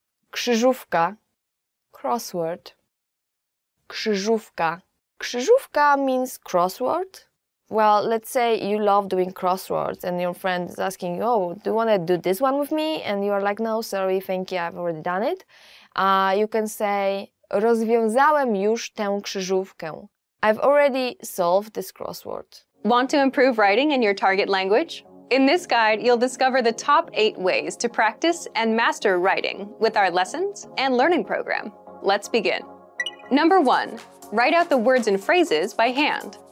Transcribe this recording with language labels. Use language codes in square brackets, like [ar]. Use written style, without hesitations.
[pl] Krzyżówka. [en] crossword. [pl] Krzyżówka. [en] Krzyżówka means crossword. Well, let's say you love doing crosswords and your friend is asking you, oh, do you want to do this one with me? And you are like, no, sorry, thank you, I've already done it. You can say, [pl] rozwiązałem już tę krzyżówkę. [en] I've already solved this crossword. Want to improve writing in your target language? In this guide, you'll discover the top 8 ways to practice and master writing with our lessons and learning program. Let's begin. Number 1, write out the words and phrases by hand.